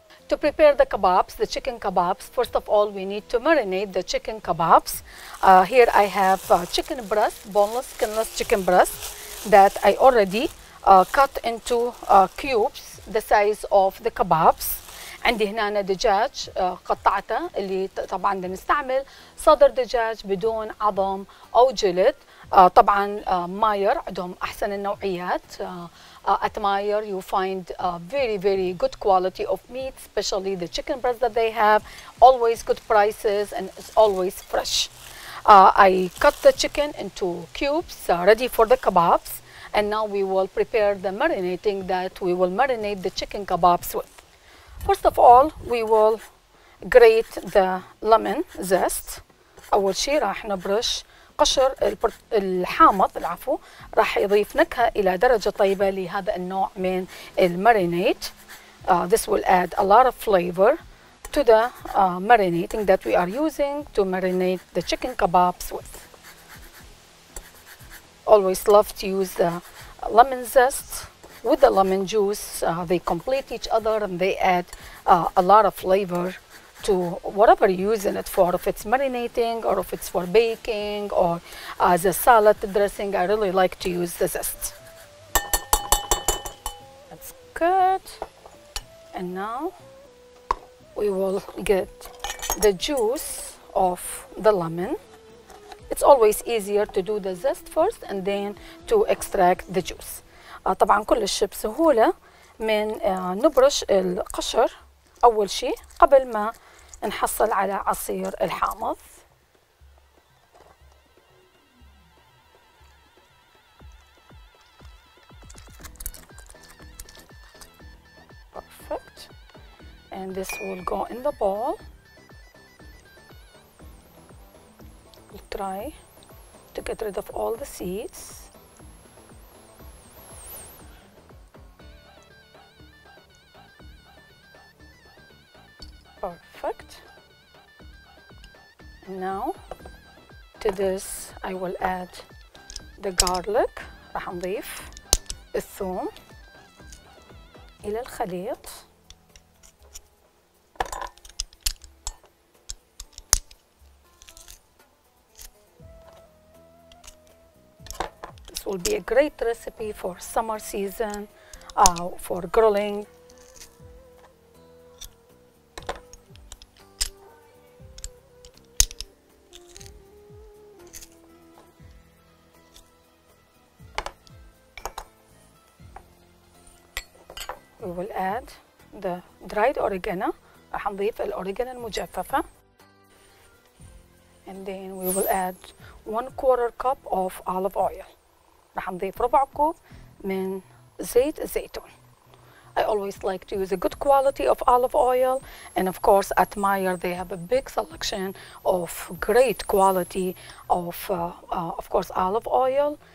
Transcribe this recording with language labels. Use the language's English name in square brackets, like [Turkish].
[English] To prepare the kebabs, the chicken kebabs, first of all, we need to marinate the chicken kebabs. Here I have chicken breast, boneless, skinless chicken breast that I already cut into cubes the size of the kebabs. [Arabic] عندي هنا دجاج قطعته اللي طبعا بنستعمل صدر دجاج بدون عظم او جلد. طبعا Meijer عندهم احسن النوعيات. [English] At Meijer you find very very good quality of meat, especially the chicken breast that they have, always good prices and it's always fresh. I cut the chicken into cubes ready for the kebabs. And now we will prepare the marinating that we will marinate the chicken kebabs with. First of all, we will grate the lemon zest. [Arabic] أول شيء راح نبرش قشر الحامض العفو راح يضيف نكهة إلى درجة طيبة لهذا النوع من المارينيت. [English] This will add a lot of flavor to the marinating that we are using to marinate the chicken kebabs with. Always love to use the lemon zest with the lemon juice. They complete each other and they add a lot of flavor to whatever you're using it for, if it's marinating or if it's for baking or as a salad dressing. I really like to use the zest. That's good. And now we will get the juice of the lemon. It's always easier to do the zest first and then to extract the juice. [Arabic] طبعا كلش بسهولة من نبرش القشر أول شيء قبل ما نحصل على عصير الحامض. [English] Perfect. And this will go in the bowl. Try to get rid of all the seeds. Perfect. Now to this I will add the garlic. [Arabic] راح نضيف الثوم إلى الخليط. [English] This will be a great recipe for summer season, for grilling. We will add the dried oregano. [Arabic] راح نضيف الأوريجانو المجففة. [English] And then we will add 1/4 cup of olive oil. [Arabic] راح نضيف ربع كوب من زيت الزيتون. [English] I always like to use a good quality of olive oil. And of course at Meijer they have a big selection of great quality of course olive oil.